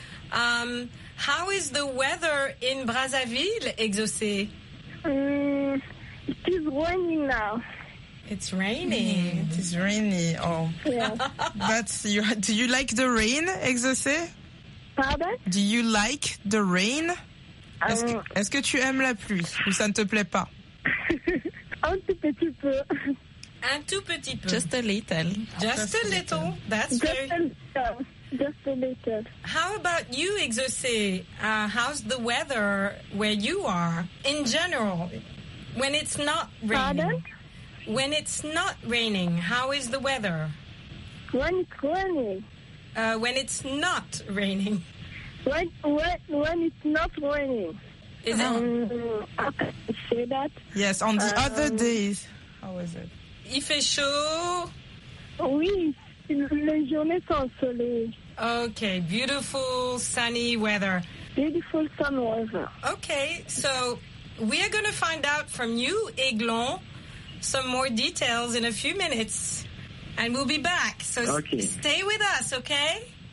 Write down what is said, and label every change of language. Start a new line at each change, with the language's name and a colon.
English: How is the weather in Brazzaville, exaucé? It is raining now. It's raining. It is rainy. Oh. Yeah. Do you like the rain, exaucé?
French: Pardon?
English: Do you like the rain?
French: Est-ce que tu aimes la pluie ou ça ne te plaît pas? Un tout petit peu. Un tout petit peu.
English: Just a little. Just a little. That's just very... Just a little. How about you, exaucé? How's the weather where you are in general? When it's not raining?
French: Pardon?
English: When it's not raining, how is the weather? When it's raining. When it's not raining. When it's not raining. Is it? How can I say that? Yes, on the other days. How is it?
French: Il fait chaud. Oui. Les journées sont ensoleillées.
English: Okay, beautiful sunny weather. Beautiful sun weather. Okay, so we are going to find out from you, Eglon, some more details in a few minutes, and we'll be back. So stay with us, okay?